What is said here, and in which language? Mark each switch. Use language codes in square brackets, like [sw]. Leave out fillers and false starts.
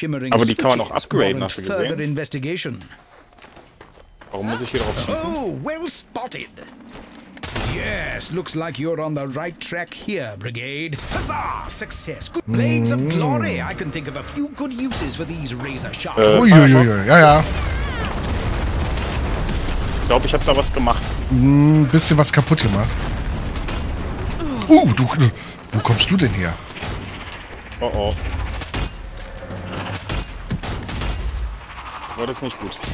[de] Aber die kann man auch upgraden, hast du gesehen. Warum muss ich hier drauf schießen? [en] Oh, well spotted. Yes, looks like you're on the right track here, Brigade. Huzzah! Success! Good blades of glory! I can think of a few good uses for these razor sharp. [de] Ja. Ich glaube, ich habe da was gemacht. Bisschen was kaputt gemacht. Wo kommst du denn her? Oh oh. War das nicht gut?